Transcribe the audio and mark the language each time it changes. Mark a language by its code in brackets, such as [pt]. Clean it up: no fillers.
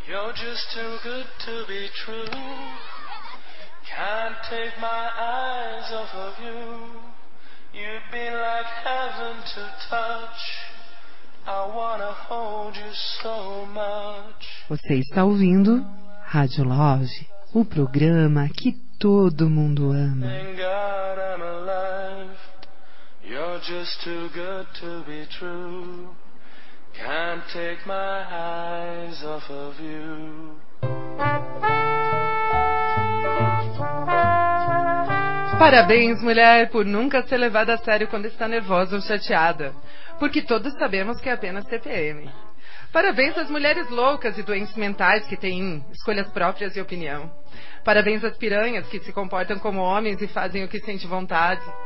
[en] You're just too good to be true. Can't take my eyes off of you. You'd be like heaven to touch. I wanna hold you so much. [pt] Você está ouvindo Rádio Love, o programa que todo mundo ama. [en] Thank God I'm alive. You're just too good to be true. Can't take my eyes off of you. [pt] Parabéns, mulher, por nunca ser levada a sério quando está nervosa ou chateada, porque todos sabemos que é apenas TPM. Parabéns às mulheres loucas e doentes mentais que têm escolhas próprias e opinião. Parabéns às piranhas que se comportam como homens e fazem o que sente vontade.